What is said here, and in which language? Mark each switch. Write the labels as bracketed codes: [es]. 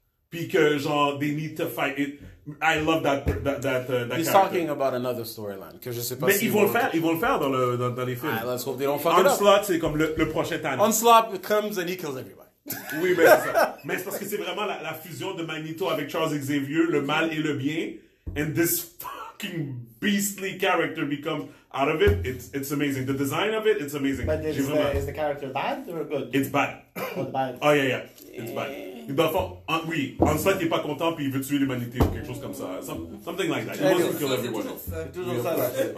[fr] Puis que genre, [en] they need to fight it. I love that he's character. Talking about another storyline. [fr] Que je sais pas mais si ils vont le faire. Ils vont le faire dans les films. [en] Right, let's hope they don't fuck Onslaught, it up. [fr] C'est comme le prochain Thanos. [en] Onslaught comes and he kills everybody. [fr] Oui, mais c'est ça. Mais c'est parce que c'est vraiment la fusion de Magneto avec Charles Xavier, le mal et le bien. [en] And this fucking beastly character becomes out of it. It's amazing. The design of it, it's amazing. But is the character bad or good? It's bad. Oh, bad. Oh, yeah. It's bad. [fr] Oui, en fait, il n'est pas content puis il veut tuer l'humanité ou quelque chose comme ça. [en] Something like that. He wants to kill everyone.